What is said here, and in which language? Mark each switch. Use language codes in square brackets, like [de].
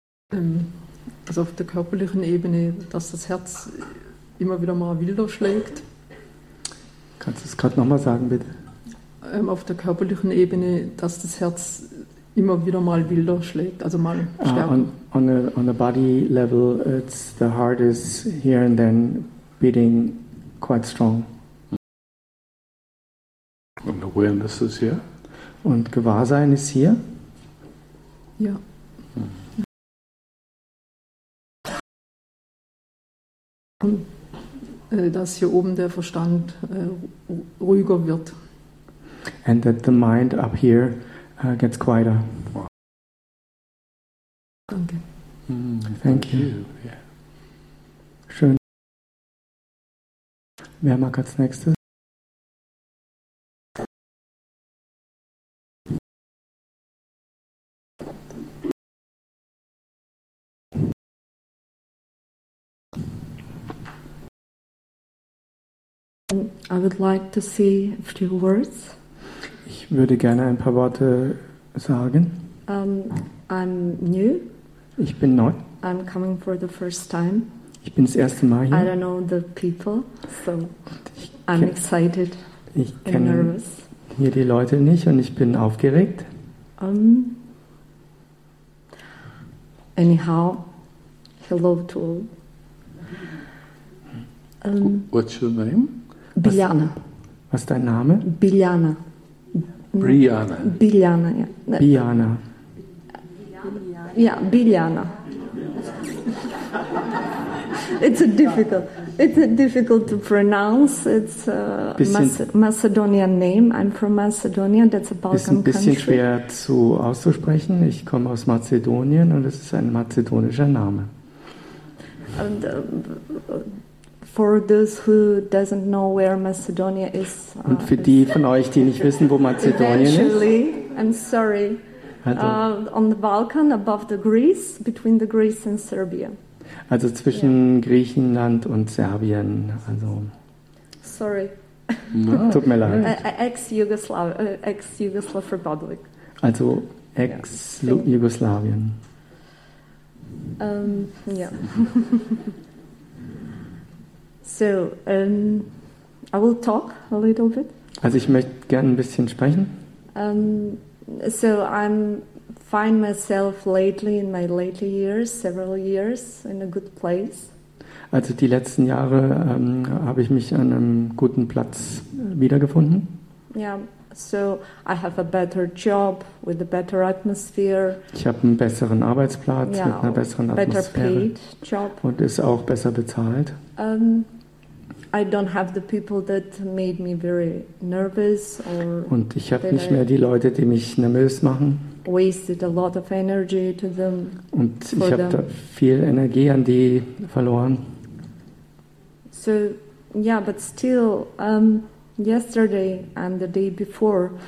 [de] Also auf der körperlichen Ebene, dass das Herz immer wieder mal wilder schlägt. Kannst du es gerade nochmal sagen, bitte? Auf der körperlichen Ebene, dass das Herz immer wieder mal wilder schlägt, also mal stärker. [en] On the body level, it's the heart is here and then beating quite strong. And awareness is here. [de] Und Gewahrsein ist hier. Ja. Und dass hier oben der Verstand ruhiger wird. [en] And that the mind up here gets quieter. [de] Danke. [en] Thank you. [de] Schön. Wer mag als nächstes? [en] I would like to see a few words. [de] Ich würde gerne ein paar Worte sagen. [en] I'm new. [de] Ich bin neu. [en] I'm coming for the first time. [de] Ich bin das erste Mal hier. [en] I don't know the people, so I'm excited. [de] Ich kenne hier die Leute nicht und ich bin aufgeregt. [en] Anyhow, hello to all. What's your name? Biljana. [de] Was ist dein Name? Biljana. Brianna. Biljana, ja. Biljana. Ja, Biljana. [en] It's difficult to pronounce. It's a Macedonian name. I'm from Macedonia. That's a Balkan country. [de] Ist ein bisschen schwer zu auszusprechen. Ich komme aus Mazedonien und es ist ein mazedonischer Name. [en] And, for those who doesn't know where Macedonia is. [de] Und für die von euch, die nicht wissen, wo Mazedonien ist. [en] Actually, I'm sorry. On the Balkan, above the Greece, between the Greece and Serbia. [de] Also zwischen Griechenland und Serbien. Also. [en] Sorry. No. [de] Tut mir leid. [en] Ex-Yugoslav Republic. [de] Also ex-Jugoslawien. [en] So, I will talk a little bit. [de] Also ich möchte gerne ein bisschen sprechen. [en] So I'm find myself lately in my later years, several years in a good place. [de] Also die letzten Jahre habe ich mich an einem guten Platz wiedergefunden. [en] Yeah, so I have a better job with a better atmosphere. [de] Ich habe einen besseren Arbeitsplatz mit einer besseren Atmosphäre. [en] Better paid job. [de] Und ist auch besser bezahlt. [en] I don't have the people that made me very nervous or. [de] Und ich habe nicht mehr die Leute, die mich nervös machen. [en] Wasted a lot of energy to them. [de] Und ich habe da viel Energie an die verloren. [en] So, yeah, but still, yesterday and the day before.